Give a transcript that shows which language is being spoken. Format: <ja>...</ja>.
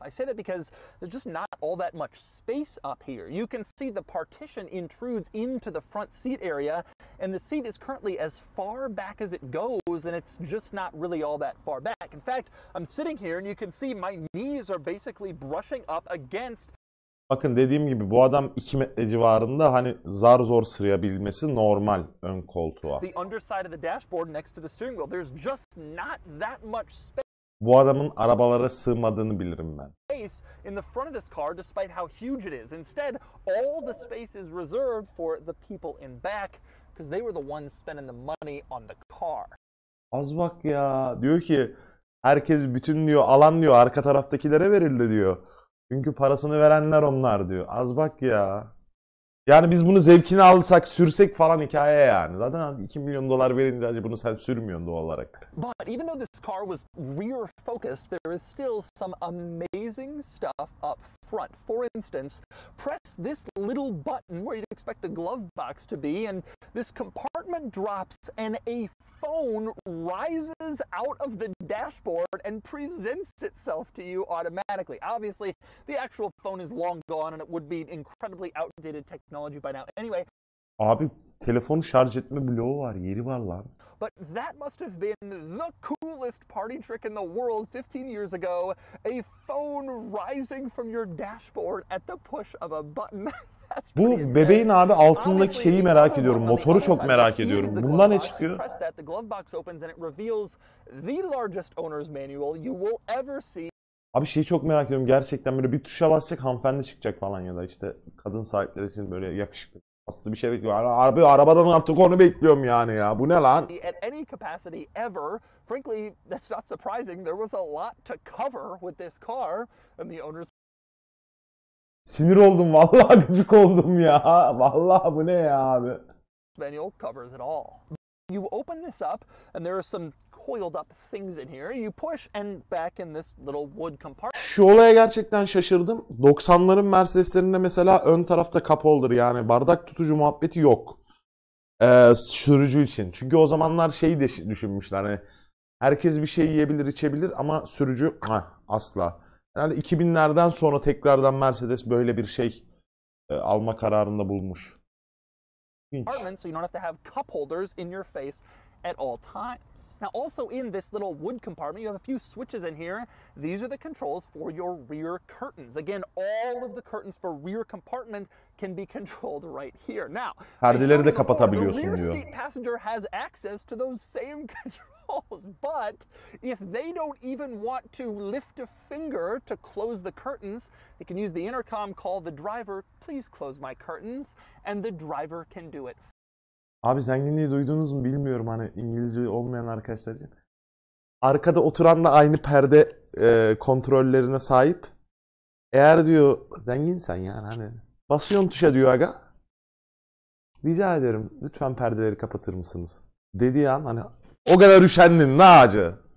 <en>I say that because there's just not all that much space up here. You can see the partition intrudes into the front seat area, and the seat is currently as far back as it goes, and it's just not really all that far back. In fact, I'm sitting here and you can see my knees are basically brushing up against.</en> <tr>Bakın dediğim gibi bu adam 2 metre civarında, hani zar zor sıyabilmesi normal ön koltuğa.</tr> <en>The underside of the dashboard next to the steering wheel, there's just not that much space.</en> <tr>Bu adamın arabalara sığmadığını bilirim ben.</tr> <en>Space in the front of this car, despite how huge it is. Instead, all the space is reserved for the people in back, because they were the ones spending the money on the car.</en> <tr>Az bak ya, diyor ki herkes bütün diyor alan diyor arka taraftakilere verildi diyor. Çünkü parasını verenler onlar diyor. Az bak ya. Yani biz bunu zevkini alsak, sürsek falan hikaye yani. Zaten 2 milyon dolar verince bunu sen sürmüyorsun doğal olarak.</tr> <en>But even though this car was rear focused, there is still some amazing stuff up front. For instance, press this little button where you'd expect the glove box to be, and this compartment drops and a phone rises out of the dashboard and presents itself to you automatically. Obviously, the actual phone is long gone and it would be incredibly outdated technology by now. Anyway,</en> <tr>abi telefonu şarj etme bloğu var, yeri var lan.</tr> <en>But that must have been the coolest party trick in the world 15 years ago, a phone rising from your dashboard at the push of a button.</en> <tr>Bu bebeğin abi altındaki şeyi merak ediyorum. Motoru çok merak ediyorum. Bundan ne çıkıyor?</tr> <en>The glove box opens and it reveals the largest owner's manual you will ever see.</en> <tr>Abi şeyi çok merak ediyorum. Gerçekten böyle bir tuşa basacak hanımefendi çıkacak falan, ya da işte kadın sahipleri için böyle yakışıklı. Aslında bir şey bekliyor. Abi arabadan artık onu bekliyorum yani ya. Bu ne lan?</tr> <en>At any capacity ever, frankly, that's not surprising. There was a lot to cover with this car and the owner's.</en> <tr>Sinir oldum vallahi, gıcık oldum ya. Vallahi bu ne ya abi?</tr> <en>Manual covers it all. You open this up and there are some coiled up things in here. You push and back in this little wood compartment.</en> <tr>Şu olaya gerçekten şaşırdım. 90'ların Mercedes'lerinde mesela ön tarafta cup holder, yani bardak tutucu muhabbeti yok. Sürücü için. Çünkü o zamanlar şeyi de düşünmüşler. Hani herkes bir şey yiyebilir, içebilir ama sürücü asla. Yani 2000'lerden sonra tekrardan Mercedes böyle bir şey alma kararında bulmuş.</tr> <en>Apartment, so you don't have to have cup holders in your face at all times. Now also in this little wood compartment, you have a few switches in here. These are the controls for your rear curtains. Again, all of the curtains for rear compartment can be controlled right here. Now,</en> <tr>perdeleri de kapatabiliyorsun diyor.</tr> <en>The rear seat passenger has access to those same controls. But if they don't even want to lift a finger to close the curtains, they can use the intercom, call the driver, please close my curtains, and the driver can do it.</en> <tr>Abi zenginliği duydunuz mu bilmiyorum hani İngilizce olmayan arkadaşlar için. Arkada oturanla aynı perde kontrollerine sahip. Eğer diyor zenginsen yani hani basıyorsun tuşa diyor aga. Rica ederim lütfen perdeleri kapatır mısınız? Dediği an hani o kadar üşendin ne acı.</tr>